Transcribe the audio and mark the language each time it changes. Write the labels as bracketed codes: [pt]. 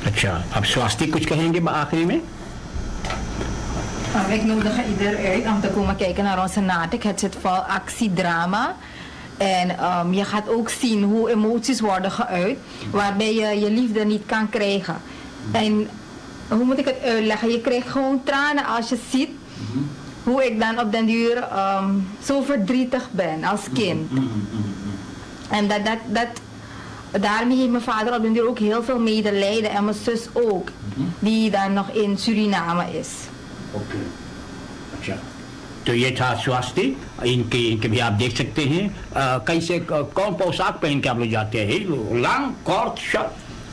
[hi] अच्छा अब स्वास्थ्य कुछ कहेंगे आखिरी में [nl] Ik nodig iedereen uit om te komen kijken naar onze natuk. Het zit vol actiedrama. En je gaat ook zien hoe emoties worden geuit. Waarbij je je liefde niet kan krijgen. En hoe moet ik het uitleggen? Je krijgt gewoon tranen als je ziet hoe ik dan op den duur zo verdrietig ben als kind. En dat daarmee heeft mijn vader op den duur ook heel veel medelijden. En mijn zus ook. Die dan nog in Suriname is. Oké. [hi] तो ये था स्वास्थ्य इनके भी आप देख सकते हैं कैसे कौन पोशाक पहन के आप लोग जाते हैं लॉन्ग कॉर्ट शर्ट